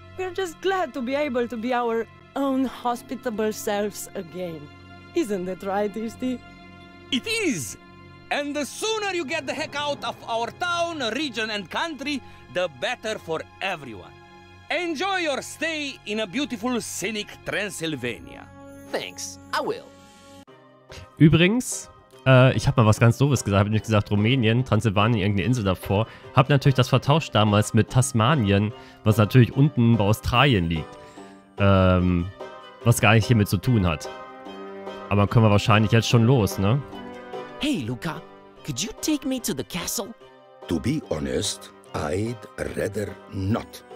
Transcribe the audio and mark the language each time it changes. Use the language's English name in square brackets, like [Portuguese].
[English] We're just glad to be able to be our own hospitable selves again. Isn't it right, Isti? It is! And the sooner you get the heck out of our town, region, and country, the better for everyone. Enjoy your stay in a beautiful, scenic Transylvania. Thanks, I will. [German] Übrigens, ich habe mal was ganz Doofes gesagt. Habe nicht gesagt Rumänien, Transsilvanien, irgendeine Insel davor. Habe natürlich das vertauscht damals mit Tasmanien, was natürlich unten bei Australien liegt. Was gar nicht hiermit zu tun hat. Aber können wir wahrscheinlich jetzt schon los, ne? [English] Hey, Luca, could you take me to the castle? To be honest, I'd rather not.